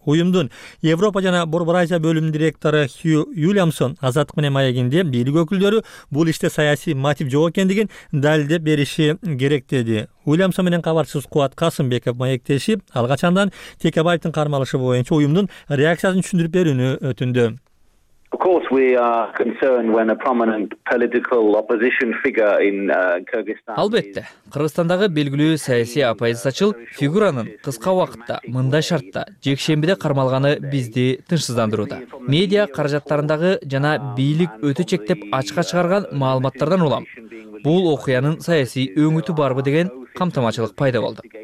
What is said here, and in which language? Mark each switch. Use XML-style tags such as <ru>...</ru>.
<ky>Уюмдун Европа жана Борбор Азия бөлүмүнүн директору Хью Юлиамсон Азаттык менен маегинде бийлик өкүлдөрү бул иште саясий мотив жок экендигин далилдеп бериши керек деди. Уильямсон менен кабарчысыбыз Кубат Касымбеков маектешип, ал качандан Текебаевдин кармалышы боюнча уюмдун реакциясын түшүндүрүп берүүнү өтүндү.</ky> <en>Of course we are concerned when a prominent political opposition figure in Kyrgyzstan.</en> <ky>Албетте, Кыргызстандагы белгилүү саясий оппозициячыл фигуранын кыска убакытта мындай шартта жекшембиде кармалганы бизди тынчсыздандырууда. Медиа каражаттарындагы жана бийлик өтө чектеп ачыкка чыгарган маалыматтардан улам бул окуянын саясий өңүтү барбы деген камтамачылык пайда болду.</ky>